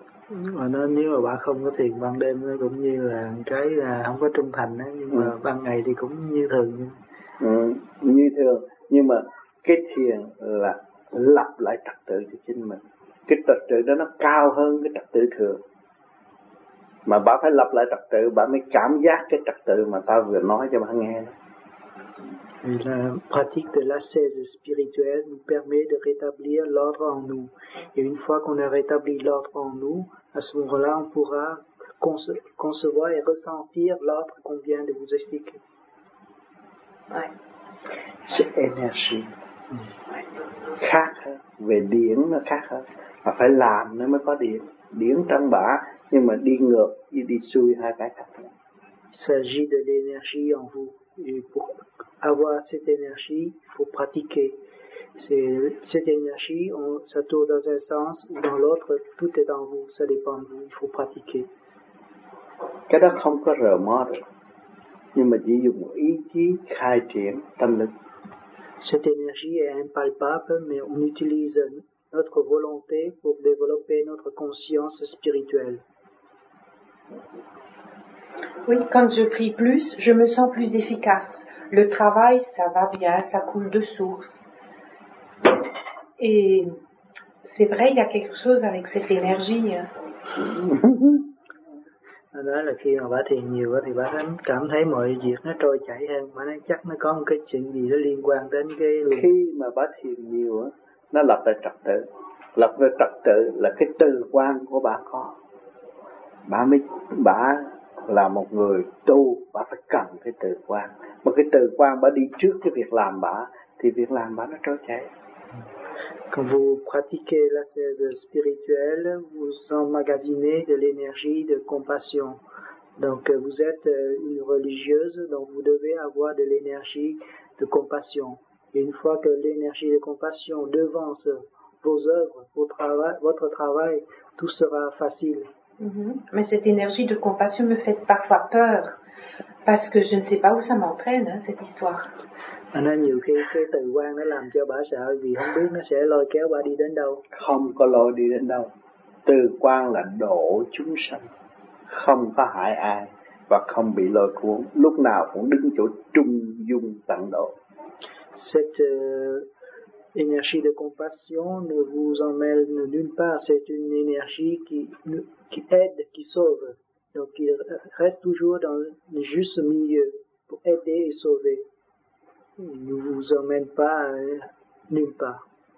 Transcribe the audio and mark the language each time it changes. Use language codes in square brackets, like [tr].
[vi] Mà nó nếu mà bà không có thiền ban đêm nó cũng như là cái là không có trung thành á, nhưng mà ban ngày thì cũng như thường. Như thường, nhưng mà cái thiền là lập lại trật tự cho chính mình. Cái trật tự đó nó cao hơn cái trật tự thường. Mà bà phải lập lại trật tự, bà mới cảm giác cái trật tự mà ta vừa nói cho bà nghe đó. [fr] La pratique de l'ascèse spirituelle nous permet de rétablir l'ordre en nous. Et une fois qu'on a rétabli l'ordre en nous, à ce moment-là, on pourra concevoir et ressentir l'ordre qu'on vient de vous expliquer. Ouais. C'est énergie. [vi] Khác về điển nó khác hơn. Mà phải làm nó mới có điển. Điển trong bả, nhưng mà đi ngược, đi xuôi hai cái khác. [fr] Il s'agit de l'énergie en vous. Et pour avoir cette énergie, il faut pratiquer. Cette énergie, ça tourne dans un sens ou dans l'autre, tout est en vous, ça dépend de vous, il faut pratiquer. [vi] Cái đó không có rờ mó được, nhưng mà chỉ dùng ý chí khai triển tâm lực. [fr] Cette énergie est impalpable, mais on utilise notre volonté pour développer notre conscience spirituelle. Oui, quand je prie plus, je me sens plus efficace. Le travail, ça va bien, ça coule de source. Et c'est vrai, il y a quelque chose avec cette énergie. [vi] Đó là khi mà bà thiền nhiều thì bà cảm thấy mọi việc nó trôi chảy hơn, mà nó chắc nó có một cái chuyện gì đó liên quan đến cái. Khi mà bà thiền nhiều nó lập lại trật tự. Lập lại trật tự là cái tư quan của bà có. Bà mới, bà là một người tu, bà phải cần cái tư quan. Mà cái tư quan bà đi trước cái việc làm bà, thì việc làm bà nó trôi chảy. [fr] Quand vous pratiquez la thèse spirituelle, vous emmagasinez de l'énergie de compassion. Donc vous êtes une religieuse, donc vous devez avoir de l'énergie de compassion. Et une fois que l'énergie de compassion devance vos œuvres, votre travail, tout sera facile. Mm-hmm. Mais cette énergie de compassion me fait parfois peur, parce que je ne sais pas où ça m'entraîne, hein, cette histoire. [vi] Nó nhiều khi cái từ quan nó làm cho bà sợ vì không biết nó sẽ lôi kéo bà đi đến đâu. Không có lôi đi đến đâu. Từ quan là độ chúng sanh, không có hại ai và không bị lôi cuốn. Lúc nào cũng đứng chỗ trung dung tận độ. [fr] Cette énergie de compassion ne vous emmène nulle part. C'est une énergie qui aide, qui sauve. Donc il reste toujours dans le juste milieu pour aider et sauver. Il ne vous emmène pas nulle part.